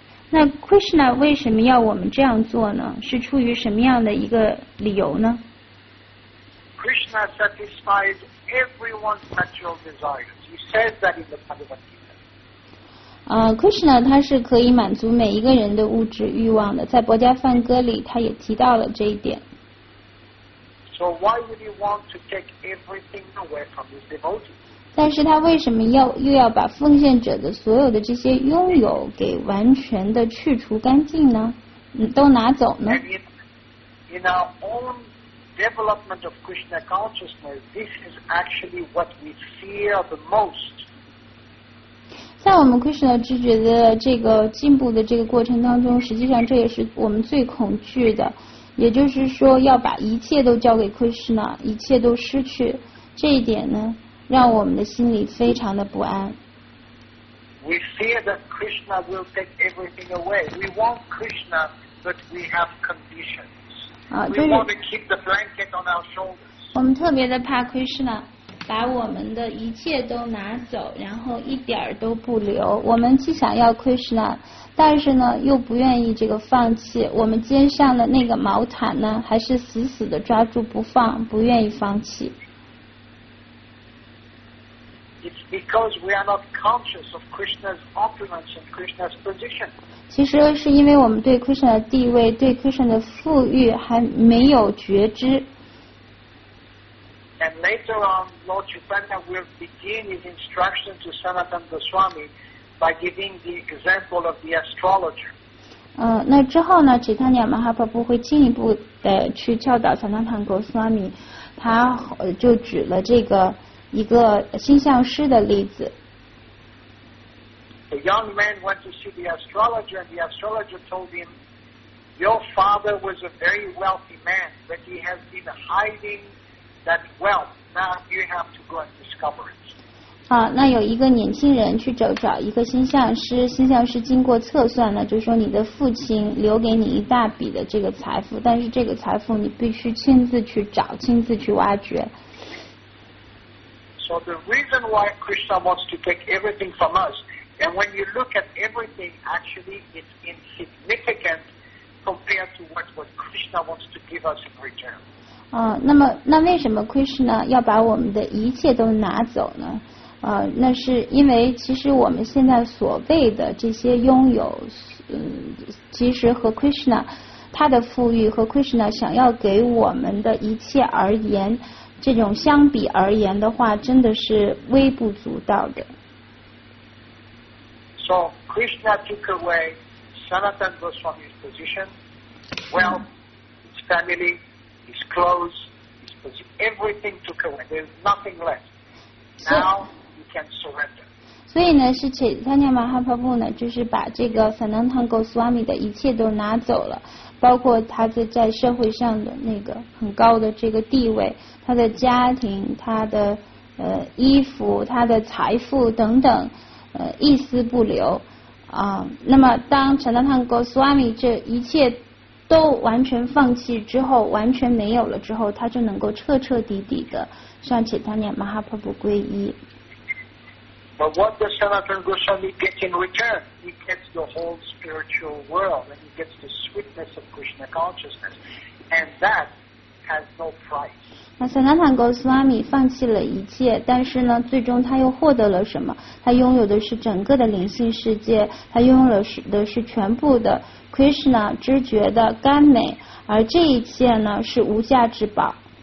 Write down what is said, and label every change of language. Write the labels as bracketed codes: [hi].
[zh] 那 Krishna 为什么要我们这样做呢？是出于什么样的一个理由呢？ [en] Krishna satisfies everyone's material desires. He says that in the Bhagavad Gita. [zh] Krishna 他是可以满足每一个人的物质欲望的，在《薄伽梵歌》里他也提到了这一点。 [en] So why would he want to take everything away from his devotees? [zh] 但是他为什么又要把奉献者的所有的这些拥有给完全的去除干净呢？都拿走呢 [en] ？In our own development of Krishna consciousness, this is actually what we fear the most. [zh] 在我们 Krishna 知觉的这个进步的这个过程当中，实际上这也是我们最恐惧的，也就是说要把一切都交给 Krishna， 一切都失去，这一点呢？让我们的心里非常的不安。 [en] We fear that Krishna will take everything away. We want Krishna, but we have conditions. We want to keep the blanket on our shoulders. [zh] 我们特别的怕 Krishna 把我们的一切都拿走，然后一点儿都不留。我们既想要 Krishna， 但是呢又不愿意这个放弃。我们肩上的那个毛毯呢，还是死死的抓住不放，不愿意放弃。 [en] Because we are not conscious of Krishna's opulence and Krishna's position. [zh] 其实是因为我们对 Krishna 的地位、对 Krishna 的富裕还没有觉知。 [en] And later on, Lord Chaitanya will begin his instruction to Sanatana Goswami by giving the example of the astrologer. [zh] 那之后呢，吉坦尼亚马哈帕布会进一步的去教导 Sanatana Goswami， 他就举了这个。一个星象师的例子。 [en] A young man went to see the astrologer, and the astrologer told him, "Your father was a very wealthy man, but he has been hiding that wealth. Now you have to go and discover it." [zh] 那有一个年轻人去找一个星象师，星象师经过测算呢，就说你的父亲留给你一大笔的这个财富，但是这个财富你必须亲自去找，亲自去挖掘。 [en] So the reason why Krishna wants to take everything from us, and when you look at everything, actually it's insignificant compared to what Krishna wants to give us in return. [zh] 那为什么 Krishna 要把我们的一切都拿走呢？那是因为其实我们现在所谓的这些拥有，其实和 Krishna 他的富裕和 Krishna 想要给我们的一切而言。这种相比而言的话，真的是微不足道的。 [en] So Krishna took away Sanatana Goswami's position, wealth, his family, his clothes, his position, everything took away. There's nothing left. Now he can surrender. [zh] 所以呢，是且参加马哈帕布呢，就是把这个 Sanatana Goswami 的一切都拿走了。包括他在社会上的那个很高的这个地位，他的家庭，他的衣服，他的财富等等，一丝不留啊。那么当 Sanatana Goswami 这一切都完全放弃之后，完全没有了之后，他就能够彻彻底底的向 Chaitanya Mahaprabhu 皈依。 [en] So But what does Sanatana Goswami get in return? He gets the whole spiritual world, and he gets the sweetness of Krishna consciousness. And that has no price. [zh] 那 Sanatana Goswami 放弃了一切，但是呢，最终他又获得了什么？他拥有的是整个的灵性世界，他拥有的 是全部的 Krishna 知觉的甘美，而这一切呢，是无价之宝。